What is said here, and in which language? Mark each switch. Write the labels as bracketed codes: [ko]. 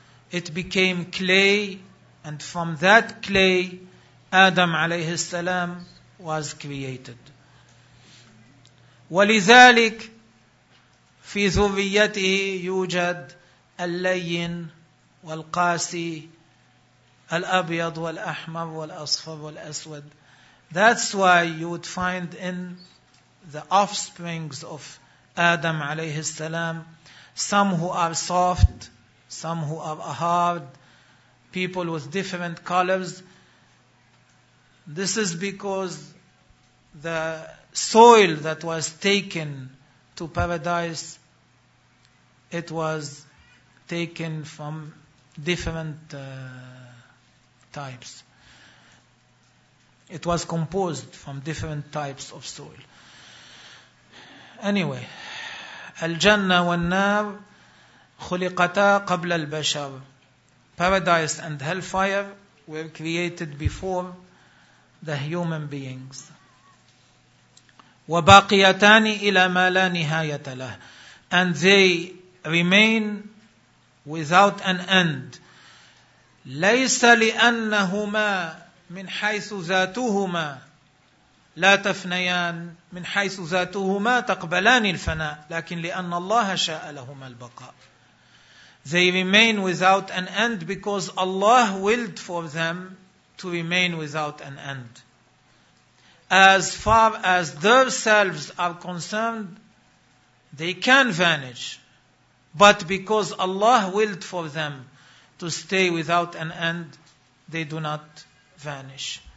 [en] It became clay, and from that clay Adam alayhi salam was created. [ar] ولذلك في ذريته يوجد اللين والقاسي الأبيض والأحمر والأصفر والأسود. [en] That's why you would find in the offsprings of Adam [ar] عليه السلام [en] some who are soft, some who are hard, people with different colors. This is because the soil that was taken to paradise, it was taken from different types. It was composed from different types of soil. Anyway, [ar] الجنة والنار خلقتا قبل البشر. [en] Paradise and hellfire were created before the human beings. [ar] وباقيتان إلى ما لا نهاية له. [en] And they remain without an end. [ar] ليس لأنهما من حيث ذاتهما لا تفنيان, من حيث ذاتهما تقبلان الفناء, لكن لأن الله شاء لهما البقاء. [en] they remain without an end because Allah willed for them to remain without an end. As far as themselves are concerned, they can vanish. But because Allah willed for them to stay without an end, they do not vanish.